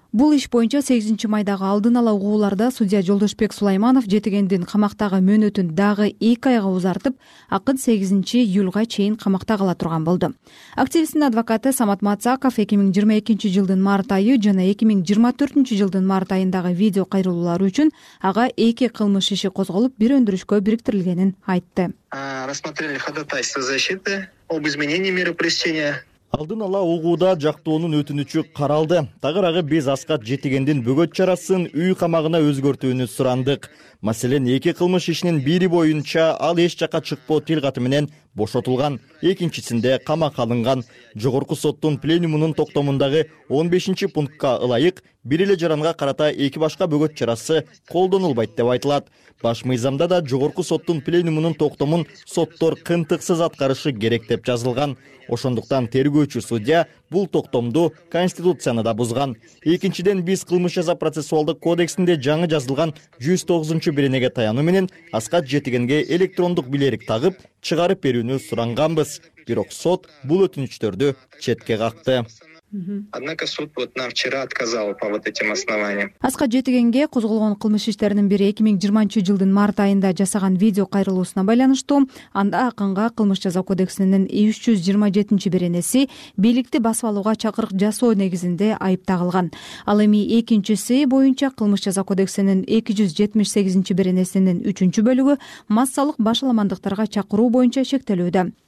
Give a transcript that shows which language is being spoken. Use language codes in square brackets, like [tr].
[ky] Бул иш боюнча 8-майдагы алдын ала угууларда судья Жолдошбек Сулайманов Жетигендин камактагы мөөнөтүн дагы 2 айга узартып, акын 8-июлга чейин камакта кала турган болду. Активисттин адвокаты Самат Мацаков 2022-жылдын март айы жана 2024-жылдын март айындагы видео кайрылуулары үчүн ага 2 кылмыш иши козголуп, бир өндүрүшкө бириктирилгенин айтты. [ru] Рассмотрели ходатайство защиты об изменении меры пресечения. [ky] Алдын ала угууда жактоонун өтүнүчү каралды. Тагыраагы биз Аскат Жетигендин бөгөт чарасын үй камагына өзгөртүүнү сурандык. Маселен, эки кылмыш ишинин бири боюнча ал эч жака чыкпоо тил каты менен бошотулган, экинчисинде камакка алынган. Жогорку соттун пленумунун токтомундагы 15-пунктка ылайык, бир эле жаранга карата эки башка бөгөт чарасы колдонулбайт деп айтылат. Баш мыйзамда да жогорку соттун пленумунун токтомун соттор кынтыксыз аткарышы керек деп жазылган. Ошондуктан тергөөчү судья бул токтомду конституцияны да бузган. Экинчиден, биз кылмыш жаза процессуалдык кодексинде жаңы жазылган 109-биренеге таянуу менен Аскат Жетигенге электрондук билерик тагып чыгарып берүүнү суранганбыз, бирок сот бул өтүнүчтөрдү четке какты. [ru] Однако суд вот нам вчера отказал по вот этим основаниям. [ky] Аскат Жетигенге козголгон кылмыш иштеринин бири 2020-жылдын март айында жасаган видео кайрылуусуна байланыштуу. Анда акынга кылмыш жаза кодексинин 327-беренеси бийликти басып алууга чакырык жасоо негизинде айып тагылган. Ал эми экинчиси боюнча кылмыш жаза кодексинин 278-беренесинин 3-бөлүгү массалык башаламандыктарга чакыруу боюнча шектелүүдө.